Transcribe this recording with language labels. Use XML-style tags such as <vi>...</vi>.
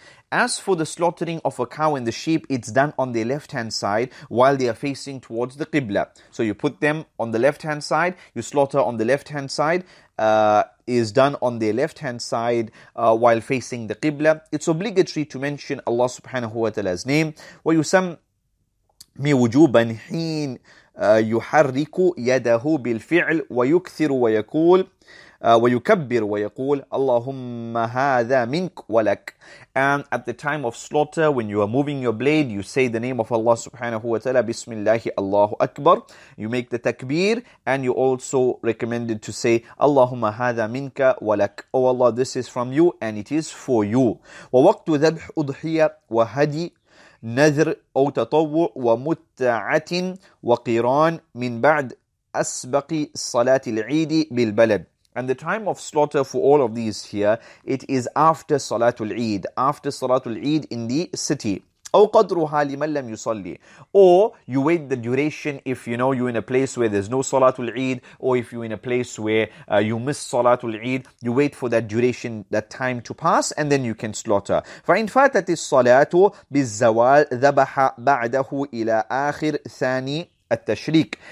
<en>As for the slaughtering of a cow and the sheep, it's done on their left-hand side while they are facing towards the Qibla. So you put them on the left-hand side, you slaughter on the left-hand side, is done on their left-hand side while facing the Qibla. It's obligatory to mention Allah subhanahu wa ta'ala's name.</en> <ar>وَيُسَمِّي وُجُوبًا حِينَ يُحَرِّكُ يَدَهُ بِالْفِعْلِ وَيُكْثِرُ وَيَكُولُ ويكبر ويقول اللهم هذا منك ولك</ar> <en>And at the time of slaughter, when you are moving your blade, you say the name of Allah subhanahu wa ta'ala, Bismillah, Allahu Akbar. You make the takbir, and you also recommended to say, Allahumma hadha minka walak. Oh Allah, this is from you, and it is for you.</en> <ar>وَوَقْتُ ذَبْحُ أُضْحِيَةٍ وَهَدِي نَذْرٍ أَوْ تَطَوُّعٍ وَمُتَّعَةٍ وَقِرَانٍ مِنْ بَعْدِ أَسْبَقِ صَلَاةِ الْعِيدِ بِالْبَلَدِ</ar> <en>And the time of slaughter for all of these here, it is after Salatul Eid, in the city.</en> <ar>أو قدرها لمن لم يصلي.</ar> <en>Or you wait the duration if you know you're in a place where there's no Salatul Eid, or if you're in a place where you miss Salatul Eid, you wait for that duration, that time to pass, and then you can slaughter.</en> <ar>فإن فاتت الصلاة بالزوال ذبح بعده إلى آخر ثاني التشريك.</ar>